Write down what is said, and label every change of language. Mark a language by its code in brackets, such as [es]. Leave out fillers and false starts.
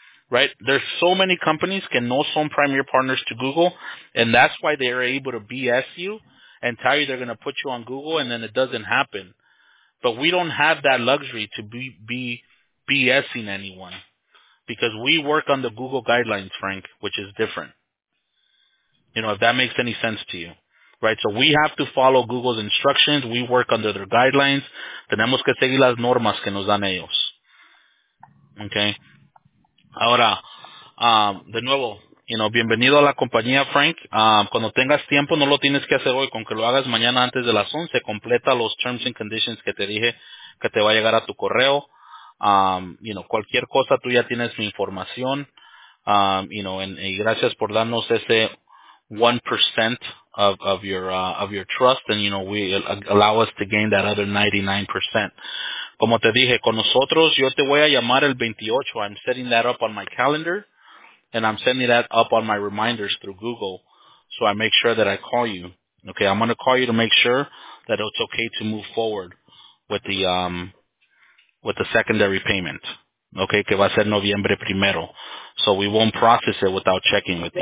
[en] Right, there's so many companies can know some premier partners to Google, and that's why they are able to BS you and tell you they're going to put you on Google, and then it doesn't happen. But we don't have that luxury to be BSing anyone, because we work on the Google guidelines, Frank, which is different. You know, if that makes any sense to you, right? So we have to follow Google's instructions. We work under their guidelines. [es] Tenemos que seguir las normas que nos dan ellos. Okay. Ahora, de nuevo, [en] you know, [es] bienvenido a la compañía, Frank. Cuando tengas tiempo, no lo tienes que hacer hoy, con que lo hagas mañana antes de las 11, completa los [en] terms and conditions [es] que te dije que te va a llegar a tu correo. [en] You know, [es] cualquier cosa, tú ya tienes mi información. Y gracias por darnos ese [en] 1% of your trust, and you know, we allow us to gain that other 99%. [es] Como te dije, con nosotros, yo te voy a llamar el 28. [en] I'm setting that up on my calendar, and I'm setting that up on my reminders through Google, so I make sure that I call you. Okay, I'm going to call you to make sure that it's okay to move forward with the secondary payment. Okay, [es] que va a ser noviembre primero. [en] So we won't process it without checking with you.